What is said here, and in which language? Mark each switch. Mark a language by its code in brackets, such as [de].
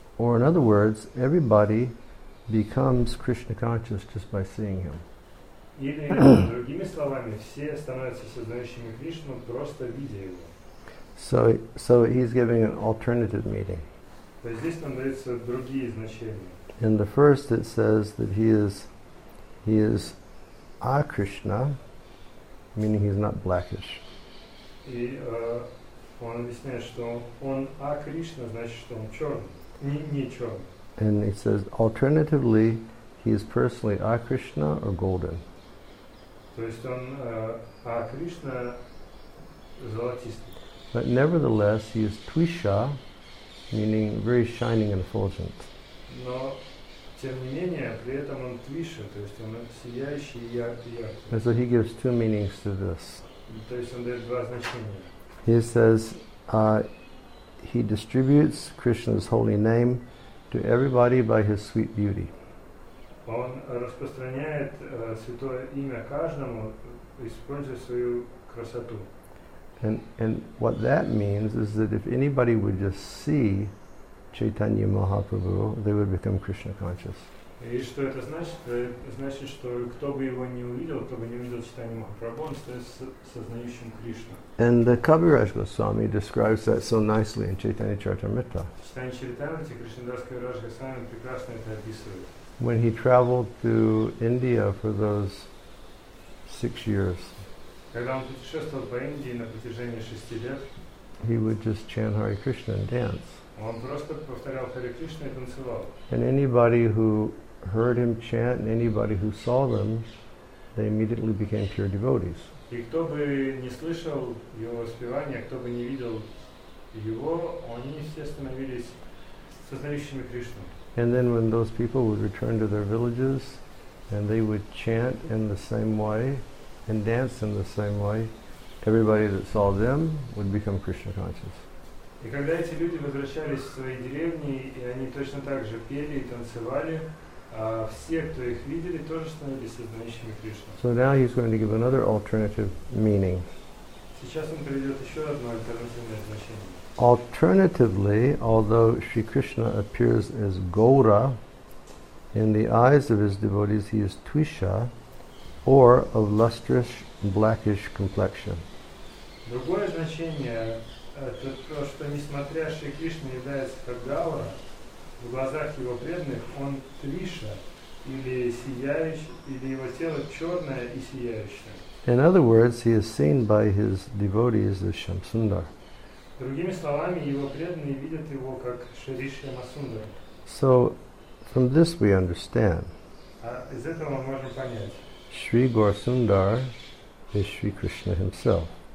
[en] Or in other words, everybody becomes Krishna conscious just by seeing him. [ru] Или другими словами, все становятся сознающими Кришну просто видя его. [en] So he's giving an alternative meaning. [ru] То есть здесь нам даются другие значения. [en] In the first, it says that he is a Krishna, meaning he's not blackish. [ru] И он объясняет, что он а Кришна, значит, что он черный, не черный. [en] And it says, alternatively, he is personally a Krishna or golden. [ru] То есть он а Кришна золотистый. [en] But nevertheless, he is Tvisha, meaning very shining and effulgent. [ru] Но тем не менее, при этом он Твиша, то есть он сияющий и яркий. [en] And so he gives two meanings to this. [ru] То есть он дает два значения. [en] He says, he distributes Krishna's holy name to everybody by his sweet beauty. [ru] Он распространяет святое имя каждому, используя свою красоту. [en] And what that means is that if anybody would just see Chaitanya Mahaprabhu, they would become Krishna conscious. [ru] И что это значит? Значит, что кто бы его не увидел, кто бы не увидел Чайтанья Махапрабху, он становится сознающим Кришну. [en] And the Kaviraj Goswami describes that so nicely in Chaitanya Charitamrita. [ru] Чайтанья Чаритамрита, Кришнадас Кавираж Госвами прекрасно это описывает. [en] When he traveled to India for those 6 years, [ru] когда он путешествовал по Индии на протяжении 6 лет, [en] he would just chant Hare Krishna and dance. [ru] Он просто повторял Харе Кришна и танцевал. [en] And anybody who heard him chant, and anybody who saw them, they immediately became pure devotees. [ru] И кто бы не слышал его воспевания, кто бы не видел его, они все становились сознающими Кришну. [en] And then when those people would return to their villages, and they would chant in the same way, and dance in the same way, everybody that saw them would become Krishna conscious. [ru] И когда эти люди возвращались в свои деревни, и они точно так же пели и танцевали, все, кто их видели, тоже становились сознающими Кришну. [en] So now he's going to give another alternative meaning. [ru] Сейчас он приведет еще одно альтернативное значение. [en] Alternatively, although Sri Krishna appears as Gaura, in the eyes of his devotees he is Tvisha, or of lustrous blackish complexion. [ru] Другое значение. Это то, что несмотря Шри Кришна является как Гаура, в глазах его преданных он Триша, или сияющий, или его тело черное и сияющее. [en] In other words, he is seen by his devotees as Shamsundar. [ru] Другими словами, его преданные видят его как Шри Шамасундар. [en] So, from this we understand. [ru] Из этого мы можем понять. [en] Шри Горасундар is Шри Кришна himself.